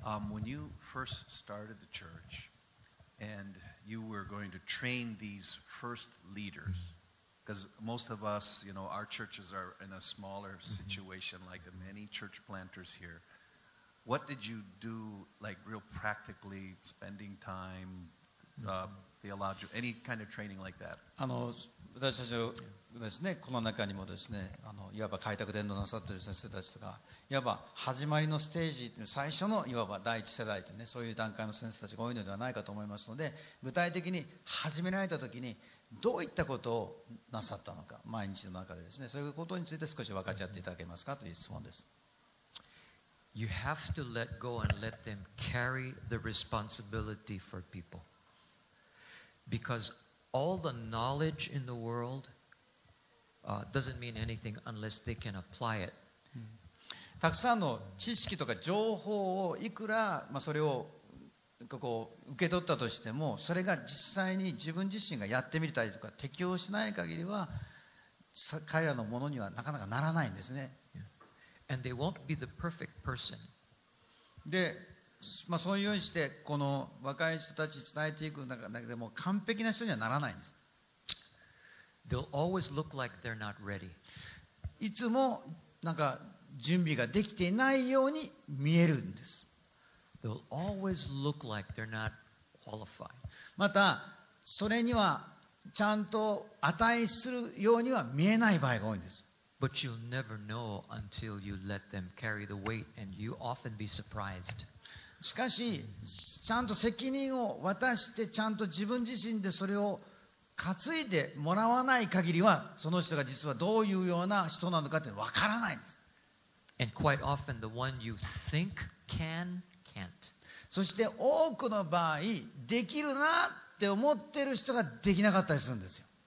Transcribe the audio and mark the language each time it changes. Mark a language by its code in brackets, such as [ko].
[en] When you first started the church, and you were going to train these first leaders, because most of us, you know, our churches are in a smaller situation like many church planters here. What did you do, like real practically, spending time, theological, any kind of training like that? [ja] 私たちはですね、この中にもですね、いわば開拓伝道なさっている先生たちとか、いわば始まりのステージ、最初のいわば第一世代というね、そういう段階の先生たちが多いのではないかと思いますので、具体的に始められたときに、どういったことをなさったのか、毎日の中でですね、そういうことについて少し分かち合っていただけますかという質問です。 [en] You have to let go and let them carry the responsibility for people. Because All the knowledge in the world doesn't mean anything unless they can apply it. [ja] たくさんの知識とか情報をいくら、まあ、それをこう受け取ったとしても、それが実際に自分自身がやってみたりとか適用しない限りは彼らのものにはなかなかならないんですね。 [en] And they won't be the perfect person. [ja] で、まあ、そういうようにしてこの若い人たちに伝えていく中でも完璧な人にはならないんです。 [en] They'll always look like they're not ready. [ja] いつもなんか準備ができていないように見えるんです。 [en] They'll always look like they're not qualified. [ja] またそれにはちゃんと値するようには見えない場合が多いんです。 [en] But you'll never know until you let them carry the weight, and you often be surprised. [ja] しかし、ちゃんと責任を渡して、ちゃんと自分自身でそれを担いでもらわない限りは、その人が実はどういうような人なのかって分からないんです。 [en] And quite often, the one you think can, can't. [ja] そして多くの場合、できるなって思ってる人ができなかったりするんですよ。